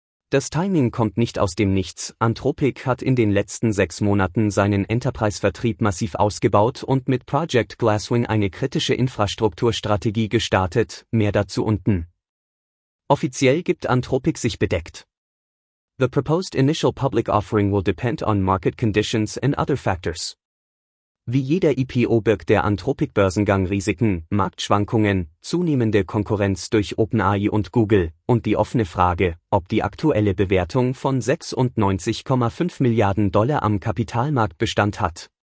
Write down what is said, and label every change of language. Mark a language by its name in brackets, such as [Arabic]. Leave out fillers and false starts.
[German] Das Timing kommt nicht aus dem Nichts. Anthropic hat in den letzten 6 Monaten seinen Enterprise-Vertrieb massiv ausgebaut und mit Project Glasswing eine kritische Infrastrukturstrategie gestartet, mehr dazu unten. Offiziell gibt Anthropic sich bedeckt. [English] The proposed initial public offering will depend on market conditions and other factors. [German] Wie jeder IPO birgt der Anthropic-Börsengang Risiken, Marktschwankungen, zunehmende Konkurrenz durch OpenAI und Google und die offene Frage, ob die aktuelle Bewertung von $96.5 Milliarden am Kapitalmarkt Bestand hat.